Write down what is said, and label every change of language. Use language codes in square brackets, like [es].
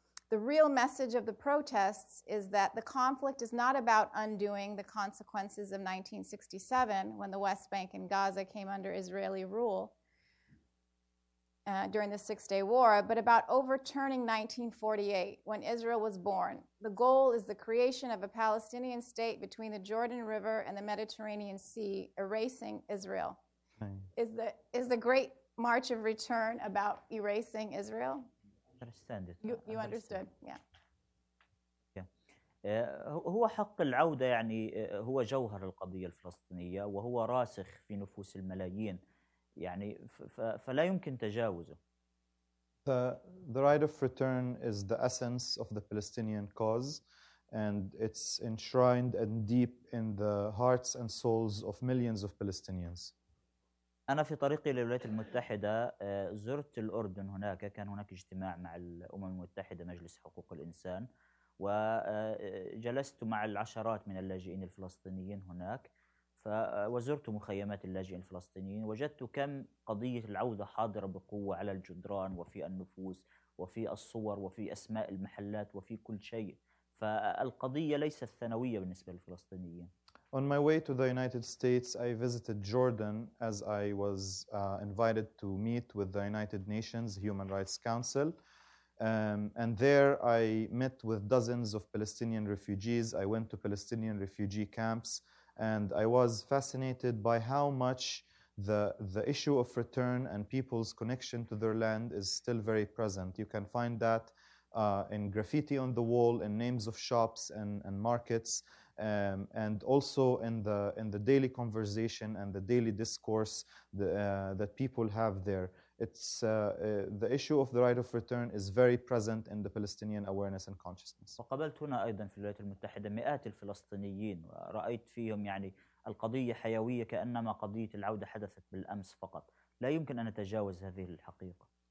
[en] The real message of the protests is that the conflict is not about undoing the consequences of 1967 when the West Bank and Gaza came under Israeli rule during the Six-Day War, but about overturning 1948 when Israel was born. The goal is the creation of a Palestinian state between the Jordan River and the Mediterranean Sea, erasing Israel. Okay. Is the Great March of Return about erasing Israel? Understand it. You understood, yeah. Yeah. [ar] هو حق العودة يعني هو جوهر القضية الفلسطينية وهو راسخ في نفوس الملايين يعني فلا يمكن تجاوزه. [en] The right of return is the essence of the Palestinian cause, and it's enshrined and deep in the hearts and souls of millions of Palestinians. [ar] أنا في طريقي للولايات المتحدة زرت الأردن هناك كان هناك اجتماع مع الأمم المتحدة مجلس حقوق الإنسان وجلست مع العشرات من اللاجئين الفلسطينيين هناك وزرت مخيمات اللاجئين الفلسطينيين وجدت كم قضية العودة حاضرة بقوة على الجدران وفي النفوس وفي الصور وفي أسماء المحلات وفي كل شيء فالقضية ليست ثانوية بالنسبة للفلسطينيين. [en] On my way to the United States, I visited Jordan as I was invited to meet with the United Nations Human Rights Council. And there I met with dozens of Palestinian refugees. I went to Palestinian refugee camps, and I was fascinated by how much the issue of return and people's connection to their land is still very present. You can find that in graffiti on the wall, in names of shops and markets. And also in the daily conversation and the daily discourse that people have there, it's the issue of the right of return is very present in the Palestinian awareness and consciousness. [ar] وقابلت هنا أيضا في الولايات المتحدة مئات الفلسطينيين ورأيت فيهم يعني القضية حيوية كأنما قضية العودة حدثت بالأمس فقط. لا يمكن أن نتجاوز هذه الحقيقة.